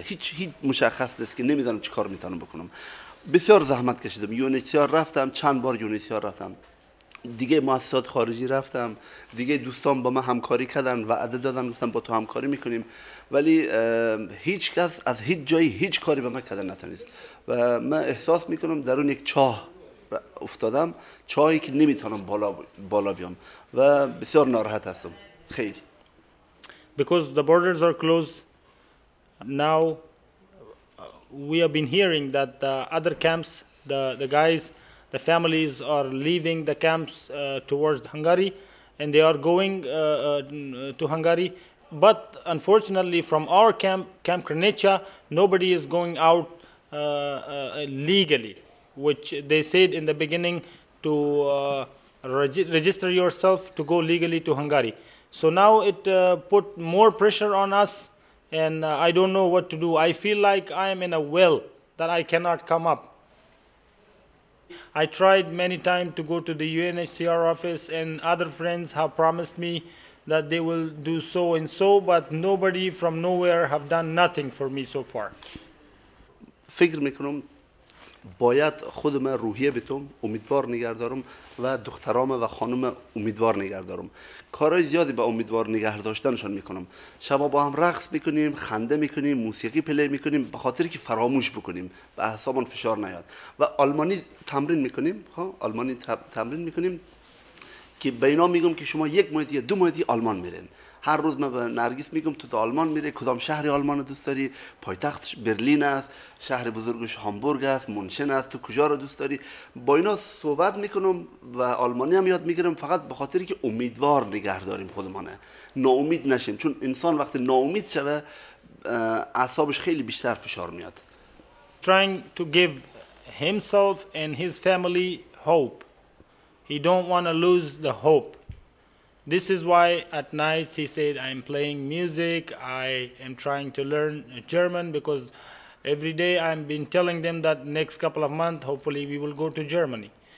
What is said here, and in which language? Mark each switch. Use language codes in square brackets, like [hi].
[fa] هیچ مشخص نیست که نمیدانم چی کار میتونم بکنم. بسیار زحمت کشیدم، یونیسیار رفتم، چند بار یونیسیار رفتم، دیگه مؤسسات خارجی رفتم، دیگه دوستان با من همکاری کردن و عده دادن، گفتن با تو همکاری میکنیم، ولی هیچ کس از هیچ جایی هیچ کاری به من کردن نتونست. و من احساس میکنم درون یک چاه افتادم، چاهی که نمیتونم بالا بیام و بسیار ناراحت هستم. خیلی [en] because the borders are closed now. We have been hearing that the other camps, the guys, the families are leaving the camps towards Hungary, and they are going to Hungary. But unfortunately, from our camp, Camp Krnica, nobody is going out legally, which they said in the beginning to register yourself to go legally to Hungary. So now it put more pressure on us, and I don't know what to do. I feel like I am in a well, that I cannot come up. I tried many times to go to the UNHCR office, and other friends have promised me that they will do so and so, but nobody from nowhere have done nothing for me so far. [fa] فکر میکنم باید خودم روحیه بتوم امیدوار نگهدارم و دخترام و خانم امیدوار نگهدارم. کارهای زیادی به امیدوار نگهداشتنشان میکنم. شبا با هم رقص میکنیم، خنده میکنیم، موسیقی پلی میکنیم، به خاطر که فراموش بکنیم و اعصابمون فشار نیاد. و آلمانی تمرین میکنیم، آلمانی تمرین میکنیم که به اینا میگم که شما 1 ماه یا 2 ماه آلمان میرین. هر روز من به نرگس میگم تو در آلمان میره، کدام شهر آلمان رو دوست داری؟ پایتختش برلین است، شهر بزرگش هامبورگ است، مونشن است، تو کجا رو دوست داری؟ با اینا صحبت میکنم و آلمانی هم یاد میگیرم، فقط به خاطری که امیدوار نگه داریم خودمانه، ناامید نشیم، چون انسان وقتی ناامید شوه اعصابش خیلی بیشتر فشار میاد. [en] Trying to give himself and his family hope. He don't want to lose the hope. This is why at nights he said, I am playing music, I am trying to learn German, because every day I've been telling them that next couple of months, hopefully we will go to Germany.